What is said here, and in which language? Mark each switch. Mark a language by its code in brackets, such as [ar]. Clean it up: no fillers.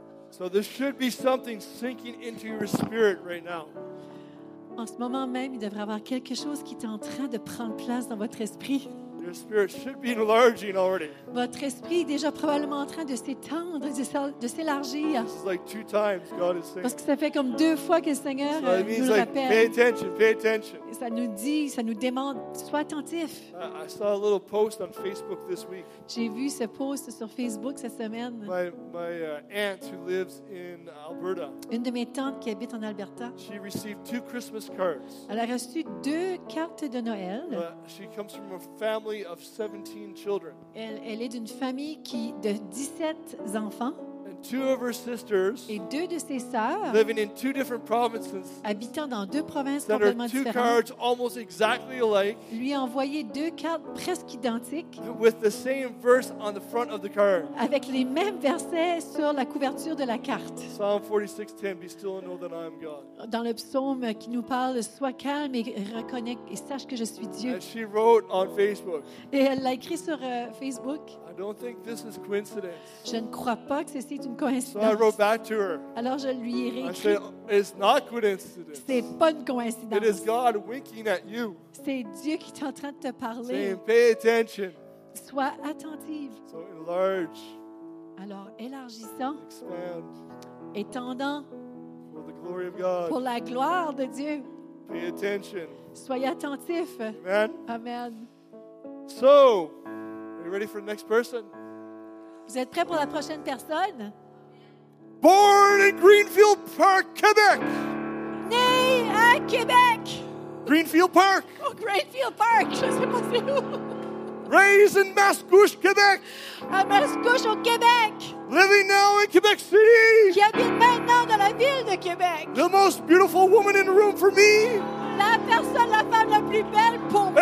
[en] So there should be something sinking into your spirit right now. [fr] En ce moment même, il devrait avoir quelque chose qui est en train de prendre place dans votre esprit. [en] Your spirit should be enlarging already. [fr] Votre esprit est déjà probablement en train de s'étendre, de s'élargir. [en] This is like two times God is saying. [fr] Parce que ça fait comme deux fois que le Seigneur [en] so that means [fr] nous [en] like, [fr] rappelle. [en] Pay attention, pay attention. [fr] Ça nous dit, ça nous demande, sois attentif. [en] I saw a little post on Facebook this week. [fr] J'ai vu ce post sur Facebook cette semaine. [en] My aunt who lives in Alberta. [fr] Une de mes tantes qui habite en Alberta. [en] She received two Christmas cards. [fr] Elle a reçu deux cartes de Noël. [en] She comes from a family of 17 children. [fr] Elle est d'une famille qui de 17 enfants. [en] And two of her sisters. [fr] Et deux de ses sœurs. [en] Living in two different provinces. [fr] Habitant dans deux provinces complètement différentes. [en] Sent her two cards almost exactly alike. [fr] Lui a envoyé deux cartes presque identiques. [en] With the same verse on the front of the card. [fr] Avec les mêmes versets sur la couverture de la carte. [en] Psalm 46:10, be still and know that I am God. [fr] Dans le psaume qui nous parle, sois calme et reconnais et sache que je suis Dieu. [en] And she wrote on Facebook. [fr] Et elle l'a écrit sur Facebook. [en] I don't think this is coïncidence. [fr] Je ne crois pas que c'est une coïncidence. [en] So I wrote back to her. [fr] Alors je lui ai réécrit. [en] I said, it's not coincidence. [fr] C'est pas une coïncidence. [en] It is God winking at you. [fr] C'est Dieu qui est en train de te parler. [en] Saying, pay attention. [fr] Sois attentive. [en] So enlarge. [fr] Alors élargissant. [en] Expand. [fr] Étendant. [en] For the glory of God. [fr] Pour la gloire de Dieu. [en] Pay attention. [fr] Soyez attentif. [en] Amen. [fr] Amen. [en] So, are you ready for the next person? [fr] Vous êtes prêts pour la prochaine personne? [en] Born in Greenfield Park, Québec. [fr] Né à Québec. [en] Greenfield Park. [fr] Oh, Greenfield Park. Je sais pas c'est où. [en] Raised in Mascouche, Québec. [fr] À Mascouche, au Québec. [en] Living now in Quebec City. [fr] Qui habite maintenant dans la ville de Québec. [en] The most beautiful woman in the room for me. [fr] La personne, la femme la plus belle pour moi.